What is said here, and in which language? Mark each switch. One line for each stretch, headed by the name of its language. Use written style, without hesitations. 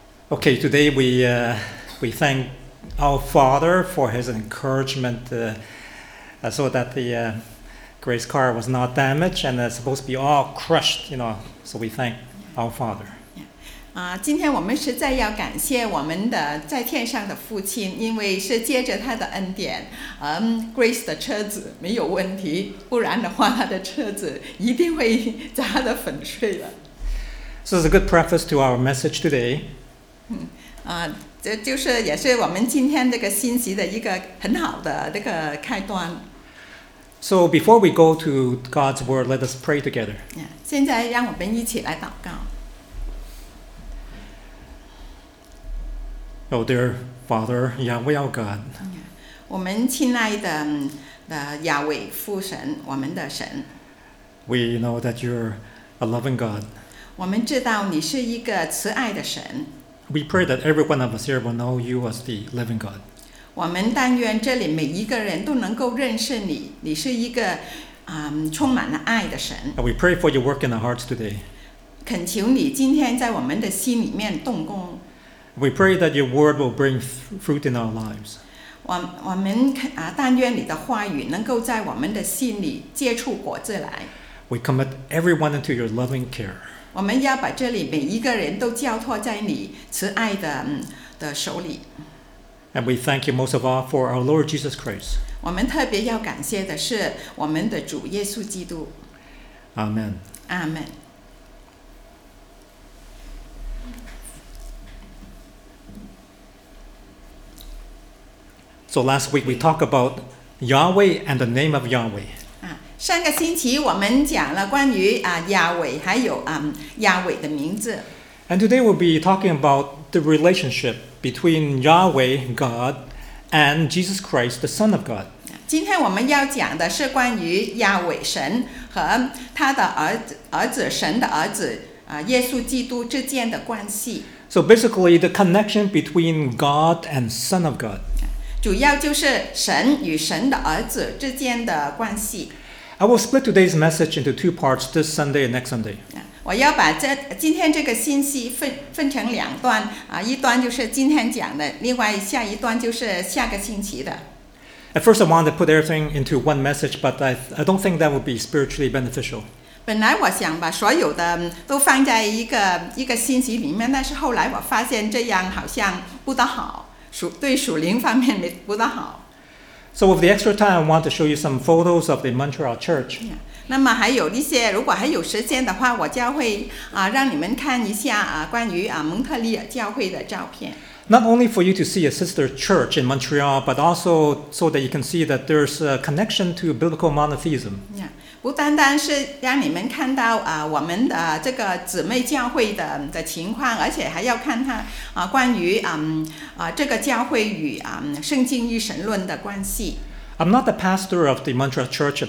English: Okay, today we thank our Father for his encouragement so that the Grace car was not damaged and supposed to be all crushed, you know. So we thank our Father.
Chinese: 今天我们实在要感谢我们的在天上的父亲，因为是借着他的恩典，Grace 的车子没有问题，不然的话他的车子一定会砸得粉碎了。
English: So it's a good preface to our message today.
Chinese: 这就是也是我们今天这个信息的一个很好的这个开端。
English: So before we go to God's word, let us pray together.
Chinese: 现在让我们一起来祷告。
English: Oh, dear Father, Yahweh, our God.
Chinese: 我们亲爱的亚伟父神，我们的神。
English: We know that you're a loving God.
Chinese: 我们知道你是一个慈爱的神。
English: We pray that every one of us here will know you as the living God.
Chinese: 我们但愿这里每一个人都能够认识你，你是一个充满了爱的神。
English: And we pray for your work in our hearts today.
Chinese: 恳求你今天在我们的心里面动工。
English: We pray that your word will bring fruit in our lives.
Chinese: 我们但愿你的话语能够在我们的心里结出果子来。
English: We commit everyone into your loving care.
Chinese: 我们要把这里每一个人都交托在你慈爱的手里。
English: And we thank you most of all for our Lord Jesus Christ.
Chinese: 我们特别要感谢的是我们的主耶稣基督。
English: Amen. Amen. So last week we talked about Yahweh and the name of Yahweh.
Chinese: 上个星期我们讲了关于Yahweh还有Yahweh的名字。
English: And today we'll be talking about the relationship between Yahweh, God, and Jesus Christ, the Son of God.
Chinese: 今天我们要讲的是关于Yahweh神和他的儿子神的儿子耶稣基督之间的关系。
English: So basically the connection between God and Son of God.
Chinese: 主要就是神与神的儿子之间的关系。
English: I will split today's message into two parts, this Sunday and next Sunday.
Chinese: 我要把今天这个信息分成两段，一段就是今天讲的，另外下一段就是下个星期的。
English: At first I wanted to put everything into one message, but I don't think that would be spiritually beneficial.
Chinese: 本来我想把所有的都放在一个信息里面，但是后来我发现这样好像不大好。对属灵方面没不大好。
English: So with the extra time, I want to show you some photos of the Montreal Church.
Chinese: 那么还有一些，如果还有时间的话，我将会让你们看一下关于蒙特利尔教会的照片。
English: Not only for you to see a sister church in Montreal, but also so that you can see that there's a connection to biblical monotheism.
Chinese: 不单单是让你们看到我们的这个姊妹教会的情况，而且还要看它关于这个教会与圣经与神论的关系。
English: I'm not the pastor of the Montreal Church.